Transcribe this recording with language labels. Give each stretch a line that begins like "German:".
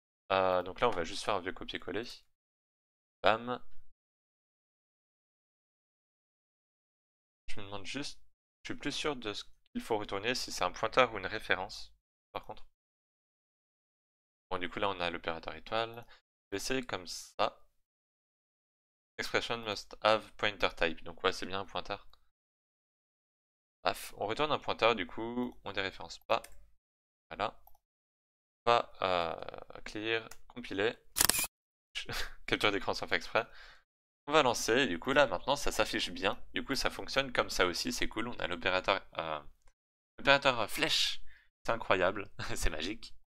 French: Donc là on va juste faire un vieux copier-coller. Bam. Je me demande juste, je suis plus sûr de ce qu'il faut retourner, si c'est un pointeur ou une référence, par contre. Bon, du coup, là, on a l'opérateur étoile. Je vais essayer comme ça.
English: Expression must have pointer type.
French: Donc, ouais, c'est bien un pointeur. Paf, on retourne un pointeur, du coup, on déréférence pas. Voilà. Pas clear, compiler. Capture d'écran sans faire exprès. On va lancer, du coup là maintenant ça s'affiche bien, du coup ça fonctionne comme ça aussi, c'est cool, on a l'opérateur flèche, c'est incroyable, c'est magique.